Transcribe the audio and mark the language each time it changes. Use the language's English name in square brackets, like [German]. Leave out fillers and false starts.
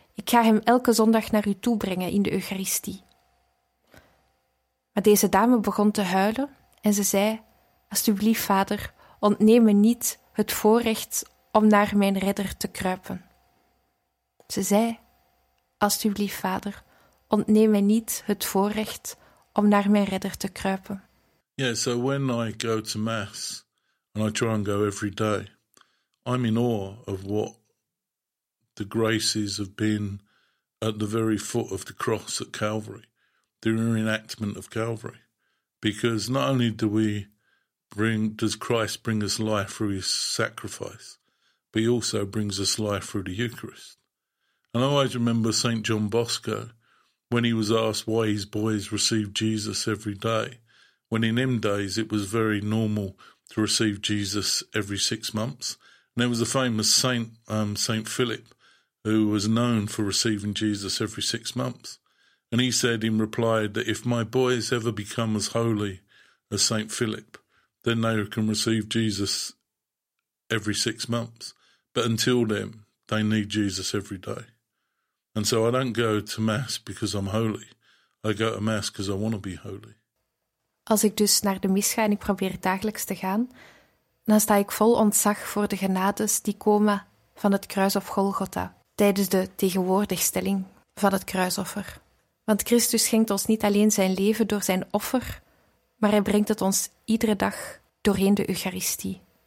[Dutch] Ik ga hem elke zondag naar u toe brengen in de Eucharistie. Maar deze dame begon te huilen en ze zei: alsjeblieft, vader, ontneem me niet het voorrecht om naar mijn redder te kruipen. Ze zei: alsjeblieft, vader, ontneem me niet het voorrecht om naar mijn redder te kruipen. [English] Yeah, so when I go to Mass, and I try and go every day, I'm in awe of what the grace is of being at the very foot of the cross at Calvary, the reenactment of Calvary. Because not only does Christ bring us life through his sacrifice, but he also brings us life through the Eucharist. And I always remember St. John Bosco, when he was asked why his boys received Jesus every day, when in them days it was very normal to receive Jesus every 6 months. And there was a famous saint, St. Philip, who was known for receiving Jesus every 6 months. And he said in reply that if my boys ever become as holy as St. Philip, then they can receive Jesus every 6 months. But until then, they need Jesus every day. And so I don't go to Mass because I'm holy. I go to Mass because I want to be holy. [Dutch] Als ik dus naar de mis ga en ik probeer dagelijks te gaan, dan sta ik vol ontzag voor de genades die komen van het kruis of Golgotha tijdens de tegenwoordigstelling van het kruisoffer. Want Christus schenkt ons niet alleen zijn leven door zijn offer, maar hij brengt het ons iedere dag doorheen de Eucharistie.